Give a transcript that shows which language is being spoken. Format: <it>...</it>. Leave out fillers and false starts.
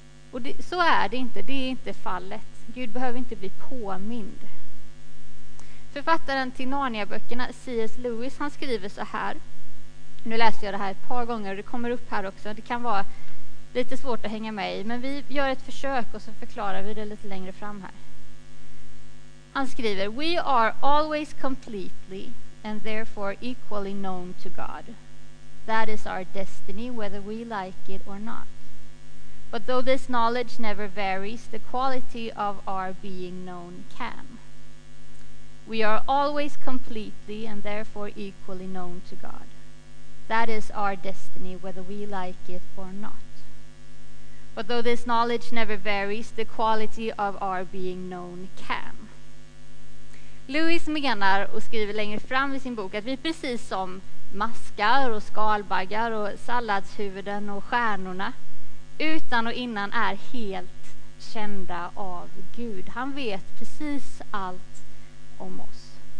<sv>Och det, så är det inte, det är inte fallet. Gud behöver inte bli påmind. Författaren till Narnia-böckerna, C.S. Lewis, han skriver så här. Nu läser jag det här ett par gånger och det kommer upp här också. Det kan vara lite svårt att hänga med i, men vi gör ett försök och så förklarar vi det lite längre fram här. Han skriver:</sv> <en>we are always completely and therefore equally known to God. That is our destiny, whether we like it or not. But though this knowledge never varies, the quality of our being known can. We are always completely and therefore equally known to God. That is our destiny, whether we like it or not. But though this knowledge never varies, the quality of our being known can.</en> <sv>Lewis menar och skriver längre fram i sin bok att vi precis som maskar och skalbaggar och salladshuvuden och stjärnorna utan och innan är helt kända av Gud. Han vet precis allt om oss.</sv>